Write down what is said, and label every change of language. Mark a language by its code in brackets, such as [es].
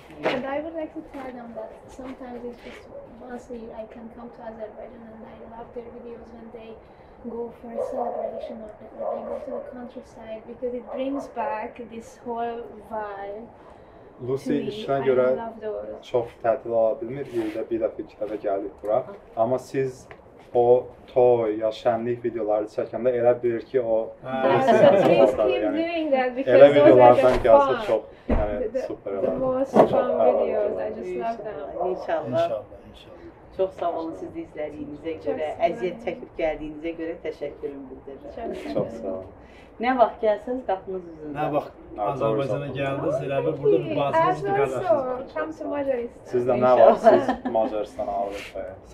[en] And I would like to tell them that sometimes it's just once a year I can come to Azerbaijan and I love their videos when they go for a celebration or they go to the countryside because it brings back this whole vibe. [az] Lucy işinə görə çox tətil ala bilmir. Yılda bir dəfə, iki dəfə gəlir bura. Amma siz o toy ya şənlik videoları çəkəndə elə bilir ki o elə videolardan gəlsə çox super olar. [en] The most fun videos. I just love them. [az] İnşallah. İnşallah. Çox sağ olun siz izlədiyinizə görə, əziyyət çəkib gəldiyinizə görə təşəkkürüm bildirirəm. Çox sağ olun. Nə vaxt gəlsəniz qapınız üzündə. Nə vaxt Azərbaycana gəldiniz, elə bil burada bir bazınızdır qardaşınız. Siz də nə vaxt siz Macaristan alırsınız.